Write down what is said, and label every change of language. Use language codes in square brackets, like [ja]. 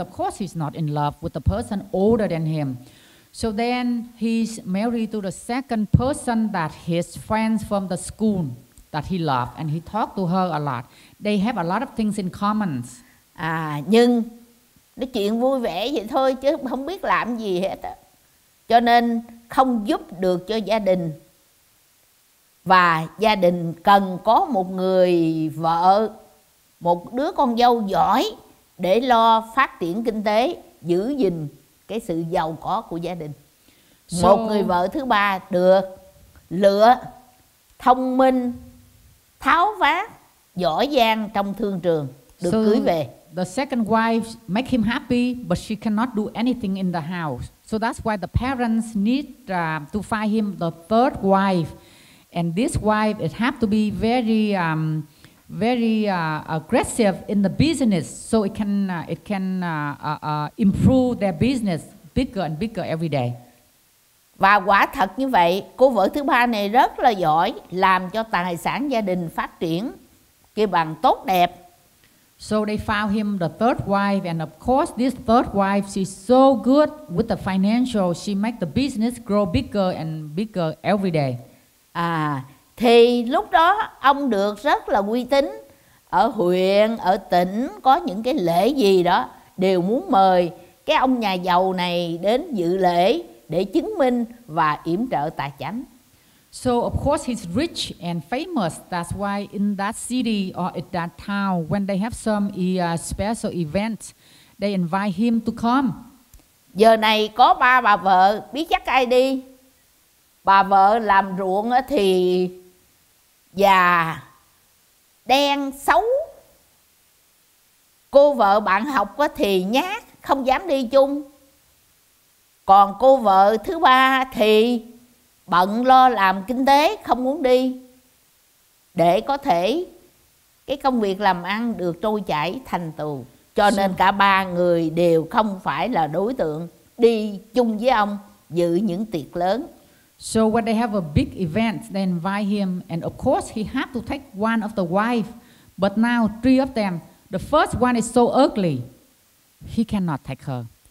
[en] Of course he's not in love with the person older than him. So then he's married to the second person that his friends from the school that he loved, and he talked to her a lot. They have a lot of things in common. [vi] Nhưng nói chuyện vui vẻ vậy thôi chứ không biết làm gì hết á. Cho nên không giúp được cho gia đình. Và gia đình cần có một người vợ, một đứa con dâu giỏi để lo phát triển kinh tế, giữ gìn cái sự giàu có của gia đình. Một người vợ thứ ba được lựa, thông minh, tháo vát, giỏi giang trong thương trường, được cưới về. [en] The second wife make him happy, but she cannot do anything in the house. So that's why the parents need to find him the third wife. And this wife, it have to be very, very aggressive in the business, so it can improve their business bigger and bigger every day. [vi] Và quả thật như vậy, cô vợ thứ ba này rất là giỏi, làm cho tài sản gia đình phát triển kia bằng tốt đẹp. [en] So they found him the third wife, and of course this third wife, she's so good with the financial, she make the business grow bigger and bigger every day. [vi] Thì lúc đó ông được rất là uy tín ở huyện, ở tỉnh, có những cái lễ gì đó đều muốn mời cái ông nhà giàu này đến dự lễ để chứng minh và yểm trợ tài chánh. [en] So of course he's rich and famous. That's why in that city or in that town, when they have some special event, they invite him to come. [vi] Giờ này có ba bà vợ, biết chắc ai đi. Bà vợ làm ruộng thì già, đen, xấu. Cô vợ bạn học thì nhát, không dám đi chung. Còn cô vợ thứ ba thì bận lo làm kinh tế, không muốn đi. Để có thể cái công việc làm ăn được trôi chảy, thành tựu. Cho nên cả ba người đều không phải là đối tượng đi chung với ông dự những tiệc lớn. [en] So when they have a big event, they invite him, and of course he had to take one of the wife. But now three of them, the first one is so ugly, he cannot take her.